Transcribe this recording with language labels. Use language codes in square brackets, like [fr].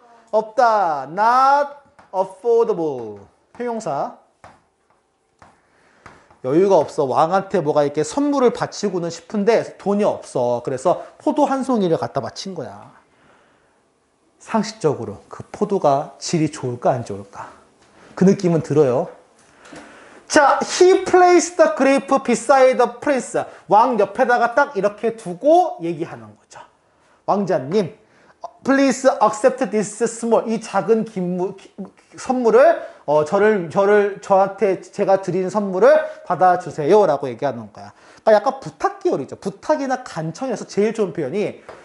[ko] 없다. Not affordable. 형용사. 여유가 없어. 왕한테 뭐가 이렇게 선물을 바치고는 싶은데 돈이 없어. 그래서 포도 한 송이를 갖다 바친 거야. 상식적으로 그 포도가 질이 좋을까 안 좋을까? 그 느낌은 들어요. [en] 자, he placed the grape beside the prince. [ko] 왕 옆에다가 딱 이렇게 두고 얘기하는 거죠. [en] 왕자님, please accept this small. [ko] 이 작은 선물을 저한테 제가 드린 선물을 받아주세요라고 얘기하는 거야. 그러니까 약간 부탁 계열이죠. 부탁이나 간청에서 제일 좋은 표현이.